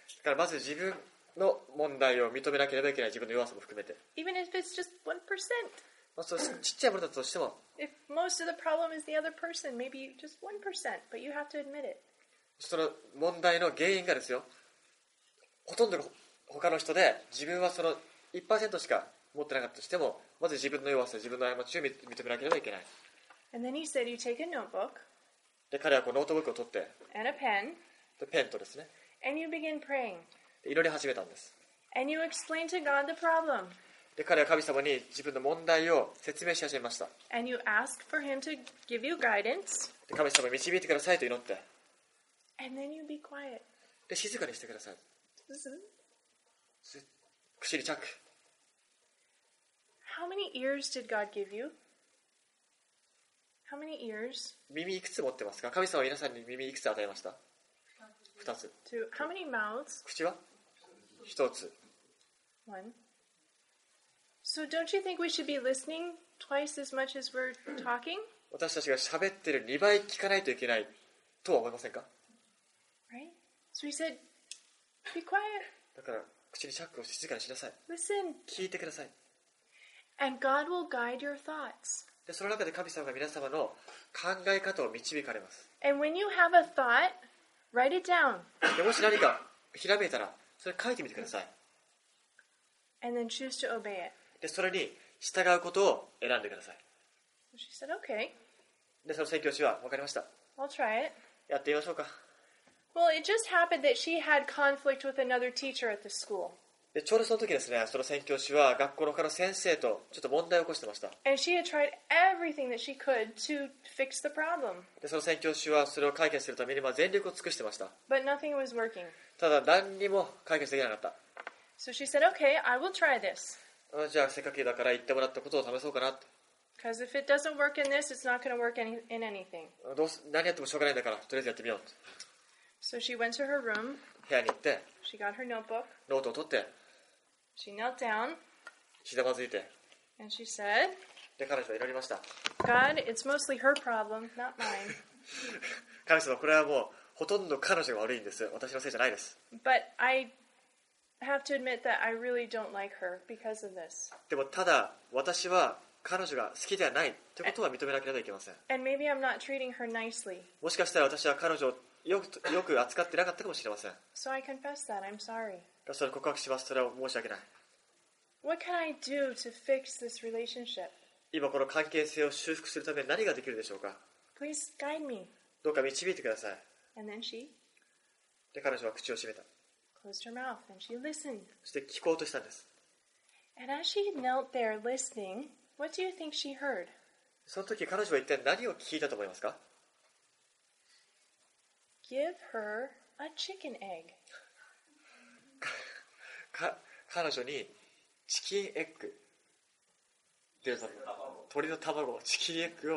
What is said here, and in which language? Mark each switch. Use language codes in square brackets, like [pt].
[ja] だからまず自分の問題を認めなければいけない、自分の弱さも含めて。 [en] Even if it's just 1%. [ja] まあ、ちっちゃいものだとしても。 [en] If most of the problem is the other person, maybe just 1%, but you have to admit it. [ja] その問題の原因がですよ、ほとんどが他の人で自分はその 1% しか持ってなかったとしてもまず自分の弱さ自分の過ちを認めなければいけない。 [en] And then he said, you take a notebook, [ja] で彼はこうノートブックを取って [en] and a pen, [ja] でペンとですね [en] and you begin praying. [ja] で祈り始めたんです。 [en] And you explain to God the problem. [ja] で彼は神様に自分の問題を説明し始めました。 [en] And you ask for him to give you guidance. [ja] で神様に導いてくださいと祈って。 [en] And then you be quiet. [ja] で静かにしてください。くしりチャック。 [en] How many ears did God give you? How many ears? [ja] 耳いくつ持ってますか？神様は皆さんに耳いくつ与えました？二つ。 [en] Two. How many mouths? [ja] 口は？一つ。 [en] One. So don't you think we should be listening twice as much as we're talking? [ja] 私たちが喋ってる2倍聞かないといけないとは思いませんか？ [en] Right? So he said, be quiet. [ja] だから口にチャックを静かにしなさい。 [en] Listen. [ja] 聞いてください。 [en] And God will guide your thoughts. [ja] でその中で神様が皆様の考え方を導かれます。 [en] And when you have a thought, write it down. [ja] でもし何かひらめいたら、それ書いてみてください。 [en] And then choose to obey it. [ja] でそれに従うことを選んでください。 [en] She said, okay. [ja] でその宣教師は、わかりました。 [en] I'll try it. [ja] やってみましょうか。 [en] Well, it just happened that she had conflict with another teacher at the school. [ja] でちょうどその時ですね、その宣教師は学校の他の先生とちょっと問題を起こしてました。 [en] And she had tried everything that she could to fix the problem. [ja] でその宣教師はそれを解決するために全力を尽くしてました。 [en] But nothing was working. [ja] ただ何にも解決できなかった。 [en] So she said, okay, I will try this. [ja] あ、じゃあせっかくだから言ってもらったことを試そうかなって。 [en] Because if it doesn't work in this, it's not going to work in anything. [ja] どうす、何やってもしょうがないんだから、とりあえずやってみようって。 [en] So she went to her room. [ja] 部屋に行って。 [en] She got her notebook. [ja] ノートを取って。 [en] She knelt down. [ja] ひざまずいて。 [en] And she said. [ja] で彼女は祈りました。 [en] God, it's mostly her problem, not mine. [ja] 神様、これはもうほとんど彼女が悪いんです。私のせいじゃないです。 [en] But I have to admit that I really don't like her because of this. [ja] でもただ私は彼女が好きではないということは認めなければいけません。 [en] And maybe I'm not treating her nicely. [ja] もしかしたら私は彼女をよく扱ってなかったかもしれません。 [en] So I confess that. I'm sorry. [ja] それ告白します。それは申し訳ない。 [en] What can I do to fix this relationship? [ja] 今この関係性を修復するために何ができるでしょうか。 [en] Please guide me. [ja] どうか導いてください。 [en] And then she? [ja] で彼女は口を閉めた。 [en] Closed her mouth and she listened. [ja] そして聞こうとしたんです。 [en] And as she knelt there listening, what do you think she heard? [ja] その時彼女は一体何を聞いたと思いますか。 [en] Give her a chicken egg. [ja] 彼女にチキンエッグ。で、その鶏の卵、チキンエッグを。